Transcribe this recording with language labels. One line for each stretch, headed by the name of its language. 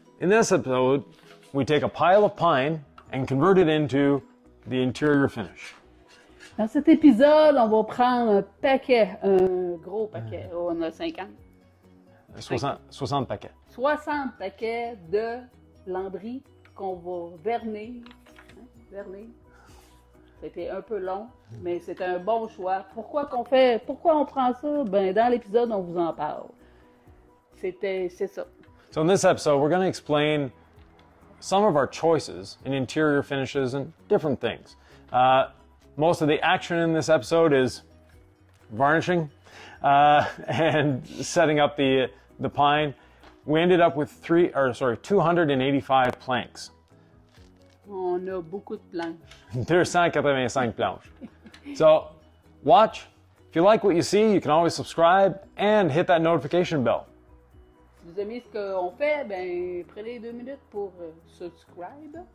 English: In this episode, we take a pile of pine and convert it into the interior finish.
French: Dans cet épisode, on va prendre un paquet, un gros paquet. Oh, on a 50. 60 paquets. 60 paquets de lambris qu'on va verner. Hein? Verner. C'était un peu long, mais c'est un bon choix. Pourquoi on prend ça? Ben, dans l'épisode, on vous en parle. C'est ça.
English: So in this episode, we're going to explain some of our choices in interior finishes and different things. Most of the action in this episode is varnishing and setting up the pine. We ended up with 285 planks.
French: On a beaucoup de planches. 285 planches.
English: So watch. If you like what you see, you can always subscribe and hit that notification bell.
French: Si vous aimez ce qu'on fait, ben prenez deux minutes pour subscribe.